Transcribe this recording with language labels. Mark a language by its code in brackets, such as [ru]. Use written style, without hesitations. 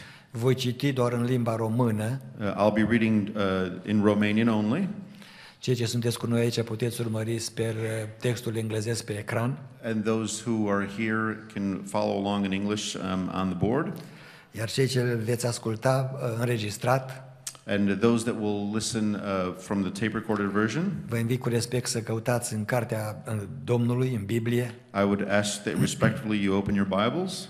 [ro] Voi citi doar în limba română. [en] I'll be reading in Romanian only. [ro] Cei ce sunteți cu noi aici puteți urmări sper textul englezesc pe ecran. [en] And those who are here can follow along in English on the board. [ro] Iar cei ce veți asculta înregistrat. [en] And those that will listen from the tape recorded version. [ro] Vă invit cu respect să căutați în cartea Domnului în Biblie. [en] I would ask that respectfully you open your Bibles.